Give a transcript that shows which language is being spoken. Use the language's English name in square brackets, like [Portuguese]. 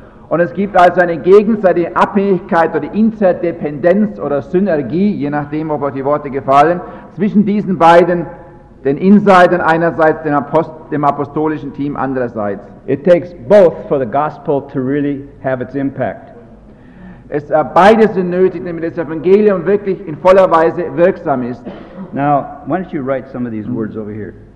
[German] Und es gibt also eine gegenseitige Abhängigkeit oder Interdependenz oder Synergie, je nachdem, ob euch die Worte gefallen, zwischen diesen beiden, den Insidern einerseits, dem apostolischen Team andererseits. [English] It takes both for the gospel to really have its impact. [German] Es beides sind nötig, damit das Evangelium wirklich in voller Weise wirksam ist. [English] Now, why don't you write some of these words over here?